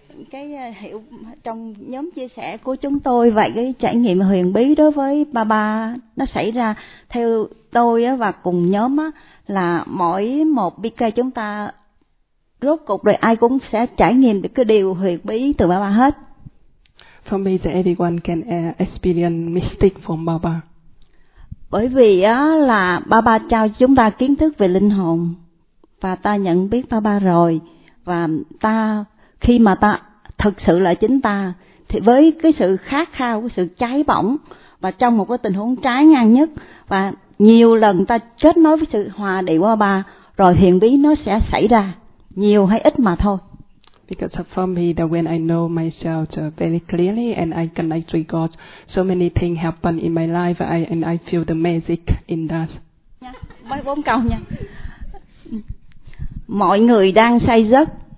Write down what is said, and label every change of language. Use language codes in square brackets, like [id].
[vi] Cái hiểu trong nhóm chia sẻ của chúng tôi, vậy cái trải nghiệm huyền bí đối với Baba nó xảy ra theo tôi á, và cùng nhóm á, là mỗi một BK chúng ta rốt cục rồi ai cũng sẽ trải nghiệm được cái điều huyền bí từ Baba hết. [en] For me, that everyone can experience mystic from Baba. [vi] Bởi vì á là Baba trao chúng ta kiến thức về linh hồn và ta nhận biết Baba rồi, và ta khi mà ta thực sự là chính ta thì với cái sự khát khao, cái sự cháy bỏng và trong một cái tình huống trái ngang nhất, và nhiều lần ta kết nối với sự hòa đại của Baba rồi huyền bí nó sẽ xảy ra, nhiều hay ít mà thôi. [en] Because for me, that when I know myself very clearly and I connect with God, so many things happen in my life and I feel the magic in that. [vi] Mấy bốn câu nha. Mọi người đang say giấc.